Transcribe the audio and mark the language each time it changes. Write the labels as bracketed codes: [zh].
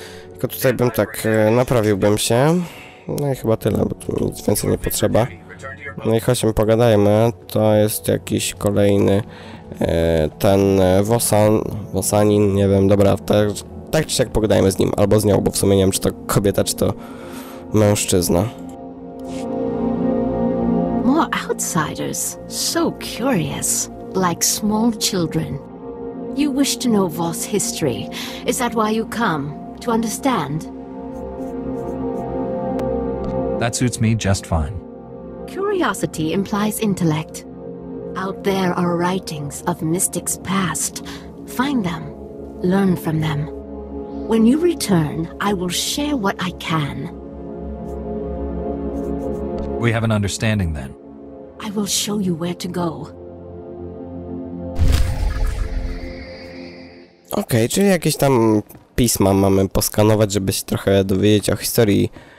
[pl] Tylko tutaj bym tak, naprawiłbym się. No i chyba tyle, bo tu nic więcej nie potrzeba. No i chodźmy, pogadajmy. To jest jakiś kolejny ten Vosanin, nie wiem, dobra, tak czy siak pogadajmy z nim, albo z nią, bo w sumie nie wiem, czy to kobieta, czy to mężczyzna. [en] More outsiders, so curious, like small children. You wish to know Vos history. Is that why you come? To understand? That suits me just fine. Curiosity implies intellect. Out there are writings of mystics past. Find them. Learn from them. When you return, I will share what I can. We have an understanding then. I will show you where to go. [pl] Okej, czyli jakieś tam pisma mamy poskanować, żeby się trochę dowiedzieć o historii...